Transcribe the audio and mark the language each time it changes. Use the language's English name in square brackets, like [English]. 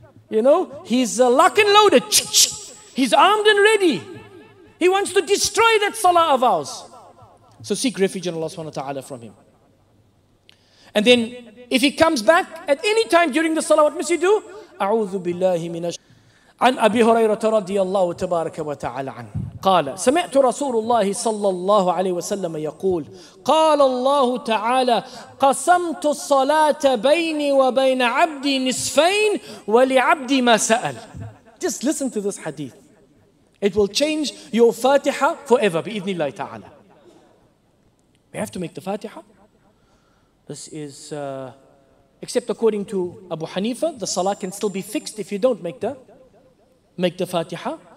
[English] You know, he's lock and loaded. He's armed and ready. He wants to destroy that salah of ours. So seek refuge in Allah subhanahu wa ta'ala from him. And then if he comes back at any time during the salah, what must you do? [Arabic] أعوذ بالله من الشيطان. عن أبي هريرة رضي الله تبارك وتعالى عنه قال سمعت رسول الله صلى الله عليه وسلم يقول قال الله تعالى قسمت الصلاة بيني وبين عبدي نصفين ولعبدي ما سأل. [English] Just listen to this hadith. It will change your Fatiha forever [Arabic] بإذن الله تعالى. [English] We have to make the Fatiha. This is except according to Abu Hanifa, the salah can still be fixed if you don't make the Fatiha.